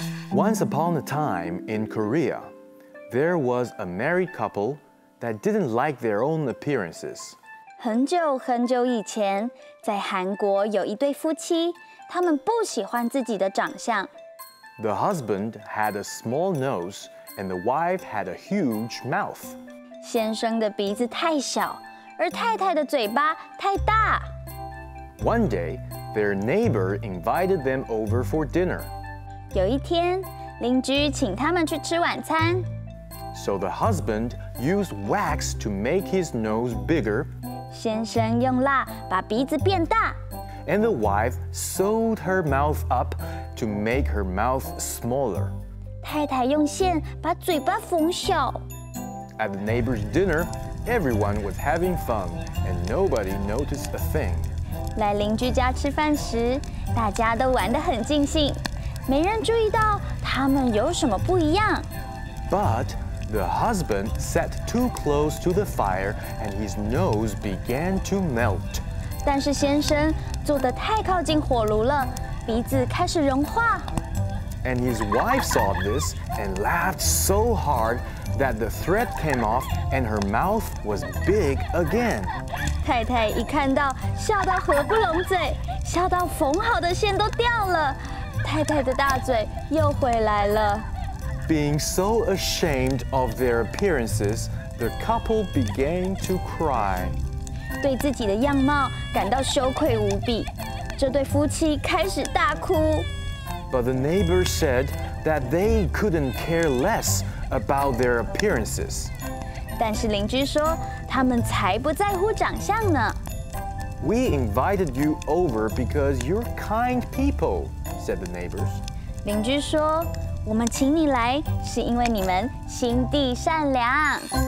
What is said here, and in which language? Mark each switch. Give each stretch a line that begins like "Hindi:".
English: Once upon a time in Korea, there was a married couple that didn't like their own appearances.
Chinese: 很久很久以前，在韩国有一对夫妻，他们不喜欢自己的长相。
English: The husband had a small nose. And the wife had a huge mouth.
Chinese: 先生的鼻子太小，而太太的嘴巴太大。
English: One day, their neighbor invited them over for dinner.
Chinese: 有一天，邻居请他们去吃晚餐。
English: So the husband used wax to make his nose bigger.
Chinese: 先生用蜡把鼻子变大。
English: And the wife sewed her mouth up to make her mouth smaller.
Chinese: 太太用线把嘴巴缝小。
English: At the neighbor's dinner, everyone was having fun, and nobody noticed a thing.
Chinese: 来邻居家吃饭时，大家都玩得很尽兴，没人注意到他们有什么不一样。
English: But the husband sat too close to the fire, and his nose began to melt.
Chinese: 但是先生坐得太靠近火炉了，鼻子开始融化。
English: And his wife saw this and laughed so hard that the thread came off and her mouth was big again.
Chinese: 太太一看到，笑到合不拢嘴，笑到缝好的线都掉了。太太的大嘴又回来了。
English: Being so ashamed of their appearances, the couple began to cry.
Chinese: 对自己的样貌感到羞愧无比，这对夫妻开始大哭。
English: But the neighbor said that they couldn't care less about their appearances.
Chinese: 但是邻居说他们才不在乎长相呢。
English: We invited you over because you're kind people, said the neighbors.
Chinese: 邻居说我们请你来是因为你们心地善良。